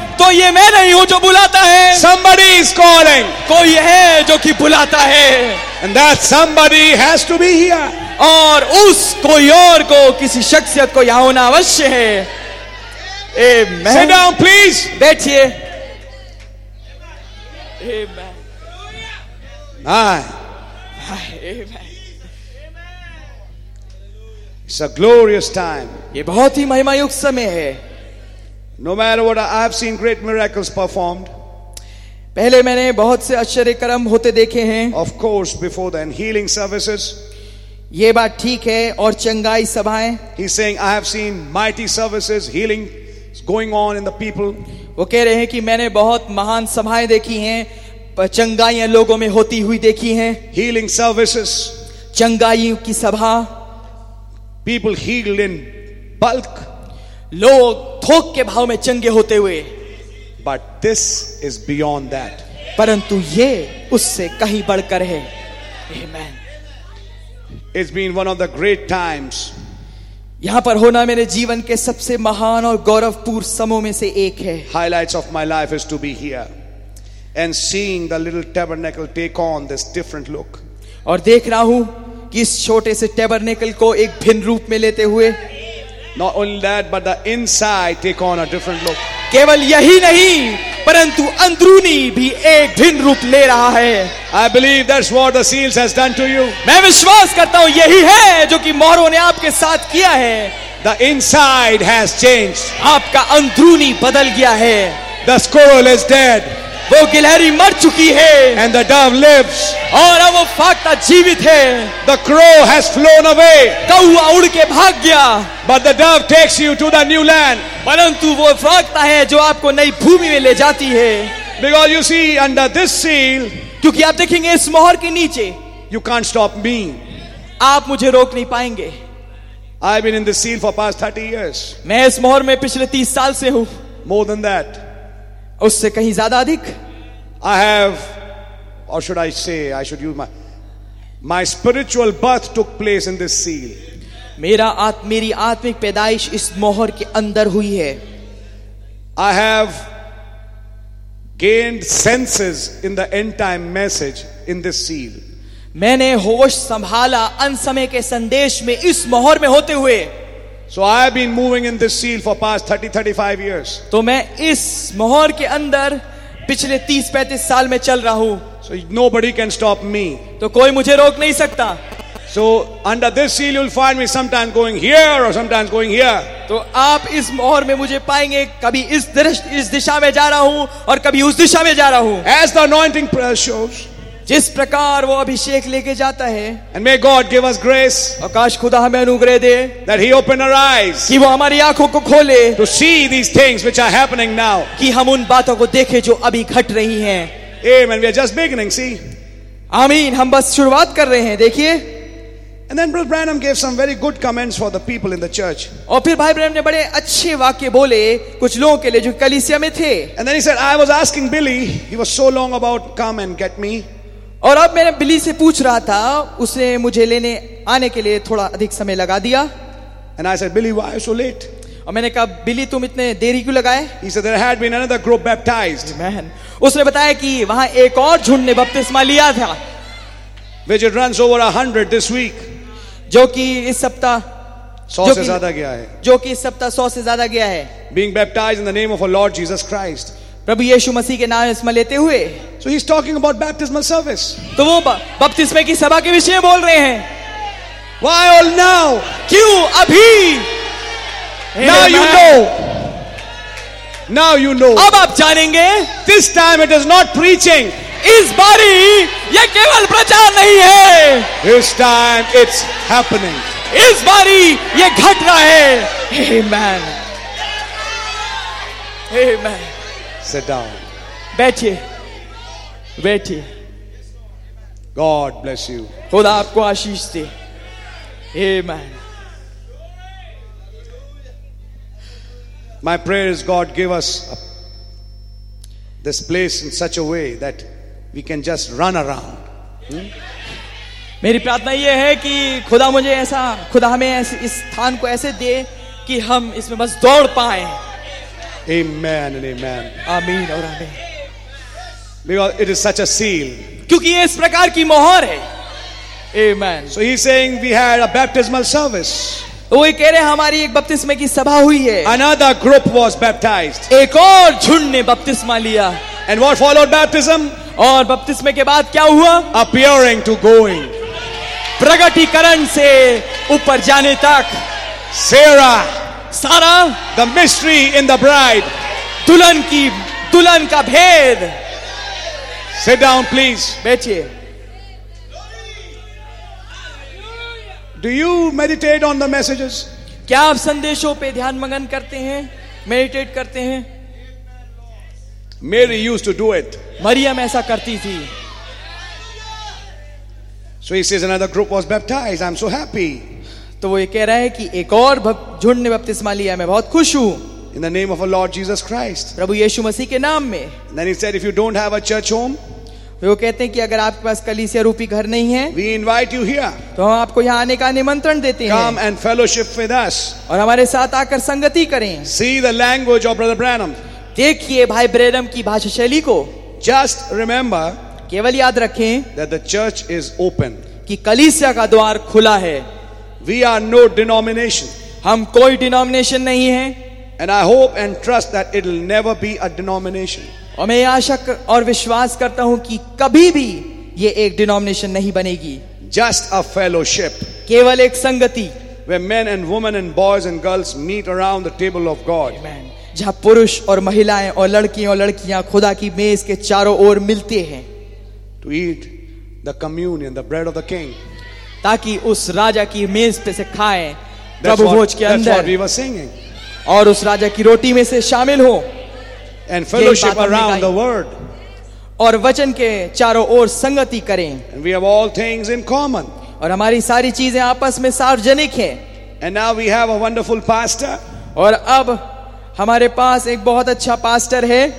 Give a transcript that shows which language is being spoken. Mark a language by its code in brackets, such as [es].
[hi] तो ये मैं नहीं हूं जो बुलाता है. [en] Somebody is calling. [hi] कोई है जो कि बुलाता है. [en] And that somebody has to be here. [hi] और उस कोई और को किसी शख्सियत को यहां होना अवश्य है. [en] Amen. Sit down, please. [hi] बैठिए. [en] Amen. Amen. It's a glorious time. [hi] ये बहुत ही महिमायुक्त समय है. [en] No matter what, I've seen great miracles performed. [hi] पहले मैंने बहुत से आश्चर्यकर्म होते देखे हैं. [en] Of course, before then, healing services. [hi] ये बात ठीक है और चंगाई सभाएं. [en] He's saying, I have seen mighty services, healing going on in the people. [hi] वो कह रहे हैं कि मैंने बहुत महान सभाएं देखी हैं, चंगाइयां लोगों में होती हुई देखी हैं. [en] Healing services. [hi] चंगाइयों की सभा. [en] People healed in bulk. [hi] लोग थोक के भाव में चंगे होते हुए. [en] But this is beyond that. [hi] परंतु ये उससे कहीं बढ़कर है. [en] Amen. It's been one of the great times. [hi] यहां पर होना मेरे जीवन के सबसे महान और गौरवपूर्ण समय में से एक है. [en] Highlights of my life is to be here and seeing the little tabernacle take on this different look. [hi] और देख रहा हूं इस छोटे से टेबरनेकल को एक भिन्न रूप में लेते हुए. [en] Not only that, but the inside take on a different look. [hi] केवल यही नहीं परंतु अंदरूनी भी एक भिन्न रूप ले रहा है. [en] I believe that's what the seals has done to you. [hi] मैं विश्वास करता हूं यही है जो कि मोहरों ने आपके साथ किया है. [en] The inside has changed. [hi] आपका अंदरूनी बदल गया है. [en] The scroll is dead. [hi] वो गिलहरी मर चुकी है. [en] And the dove lives. [hi] और अब वो फाख्ता जीवित है. [en] The crow has flown away. [hi] कौआ उड़ के भाग गया. [en] But the dove takes you to the new land. [hi] परंतु वो फाख्ता है जो आपको नई भूमि में ले जाती है. [en] Because you see under this seal. [hi] क्योंकि आप देखेंगे इस मोहर के नीचे. [en] You can't stop me. [hi] आप मुझे रोक नहीं पाएंगे. [en] I've been in this seal for past 30 years. [hi] मैं इस मोहर में पिछले 30 साल से हूं. [en] More than that. [hi] उससे कहीं ज्यादा अधिक. [en] I have, or should I say, I should use my spiritual birth took place in this seal. [hi] मेरी आत्मिक पैदाइश इस मोहर के अंदर हुई है. [en] I have gained senses in the end time message in this seal. [hi] मैंने होश संभाला अंत समय के संदेश में इस मोहर में होते हुए. [en] So I have been moving in this seal for past 30-35 years. [hi] तो मैं इस मोहर के अंदर पिछले 30-35 साल में चल रहा हूं. [en] So nobody can stop me. [hi] तो कोई मुझे रोक नहीं सकता. [en] So under this seal you'll find me sometimes going here or sometimes going here. [hi] तो आप इस मोहर में मुझे पाएंगे कभी इस दिशा में जा रहा हूं और कभी उस दिशा में जा रहा हूं. [en] As the anointing shows. [hi] जिस प्रकार वो अभिषेक लेके जाता है. [en] And may God give us grace. [hi] और काश खुदा हमें अनुग्रह दे. [en] That he open our eyes. [hi] कि वो हमारी आंखों को खोले. [en] To see these things which are happening now. [hi] कि हम उन बातों को देखें जो अभी घट रही हैं. [en] Amen. We are just beginning. See. [hi] आमीन. हम बस शुरुआत कर रहे हैं. देखिए. [en] And then Brother Branham gave some very good comments for the people in the church. [hi] और फिर भाई ब्रैनम ने बड़े अच्छे वाक्य बोले कुछ लोगों के लिए जो कलीसिया में थे. [en] And then he said, I was asking Billy. He was so long about come and get me. [hi] और अब मैंने बिली से पूछ रहा था, उसने मुझे लेने आने के लिए थोड़ा अधिक समय लगा दिया. [en] And I said, Billy, why are you so late? [hi] और मैंने कहा, बिली तुम इतने देरी क्यों लगाए? [en] He said there had been another group baptized. Amen. [hi] उसने बताया कि वहाँ एक और झुंड ने बपतिस्मा लिया था. [en] Which it runs over 100 this week. [hi] जो कि इस सप्ताह 100 से ज्यादा गया है. जो कि इस सप्ताह 100 से ज्यादा गया है. [en] Being baptized in the name of our Lord Jesus Christ. [hi] प्रभु यीशु मसीह के नाम इसमें लेते हुए. [en] So he's talking about baptismal service. [hi] तो वो बपतिस्मे की सभा के विषय बोल रहे हैं. [en] Why all now? [hi] क्यों अभी? [en] Now you know. Now you know. [hi] अब आप जानेंगे. [en] This time it is not preaching. [hi] इस बारी ये केवल प्रचार नहीं है. [en] This time it's happening. [hi] इस बारी ये घट रहा है. Amen. [en] Amen. Sit down. [hi] बैठिए. बैठिए. [en] God bless you. [hi] खुदा आपको आशीष दे. Amen. [en] My prayer is God give us this place in such a way that we can just run around. [hi] मेरी प्रार्थना ये है कि खुदा मुझे ऐसा, खुदा हमें ऐसे इस स्थान को ऐसे दे कि हम इसमें बस दौड़ पाए. [en] Amen and amen. [hi] आमीन और आमीन. [en] Because it is such a seal. [hi] क्योंकि ये इस प्रकार की मोहर है. [en] Amen. So he's saying we had a baptismal service. [hi] वो कह रहे हमारी एक बपतिस्मे की सभा हुई है. [en] Another group was baptized. [hi] एक और झुंड ने बपतिस्मा लिया. [en] And what followed baptism? [hi] और बपतिस्मे के बाद क्या हुआ? [en] Appearing to going. [hi] प्रगटीकरण से ऊपर जाने तक. [en] Sarah. [hi] सारा. [en] The mystery in the bride. [hi] दुल्हन की, दुल्हन का भेद. [en] Sit down, please. [hi] बैठिए. [en] Do you meditate on the messages? [hi] क्या आप संदेशों पे ध्यान मगन करते हैं, मेडिटेट करते हैं? [en] Mary used to do it. [hi] Maryam ऐसा करती थी. [en] So he says another group was baptized. I'm so happy. [hi] तो वो ये कह रहा है कि एक और झुंड ने बपतिस्मा लिया. मैं बहुत खुश हूँ. [en] In the name of our Lord Jesus Christ. [hi] प्रभु यीशु मसीह के नाम में. [en] And then he said, if you don't have a church home. [hi] वो कहते हैं कि अगर आपके पास कलीसिया रूपी घर नहीं है, [en] we invite you here. [hi] तो हम आपको यहाँ आने का निमंत्रण देते हैं. [en] Come and fellowship with us. [hi] और हमारे साथ आकर संगति करें. [en] See the language of Brother Branham. [hi] देखिए भाई ब्रैनम की भाषा शैली को. [en] Just remember. [hi] केवल याद रखें. [en] That the church is open. [hi] कि कलीसिया का द्वार खुला है. [en] We are no denomination. [hi] हम कोई डिनोमिनेशन नहीं है. [en] And I hope and trust that it will never be a denomination. [hi] और मैं आशा और विश्वास करता हूं कि कभी भी ये एक डिनोमिनेशन नहीं बनेगी. [en] Just a fellowship. [hi] केवल एक संगति. [en] Where men and women and boys and girls meet around the table of God. [hi] आमेन. जहां पुरुष और महिलाएं और लड़कियां और लड़कियां खुदा की मेज के चारों ओर मिलते हैं. [en] To eat the communion the bread of the king. [hi] ताकि उस राजा की मेज पे से खाएं प्रभु भोज के अंदर. [en] That's what we were singing. [hi] और उस राजा की रोटी में से शामिल हो. [en] And fellowship around the word. [hi] और वचन के चारों ओर संगति करें. [en] And we have all things in common. [hi] और हमारी सारी चीजें आपस में सार्वजनिक हैं. [en] And now we have a wonderful pastor. [hi] और अब हमारे पास एक बहुत अच्छा पास्टर है.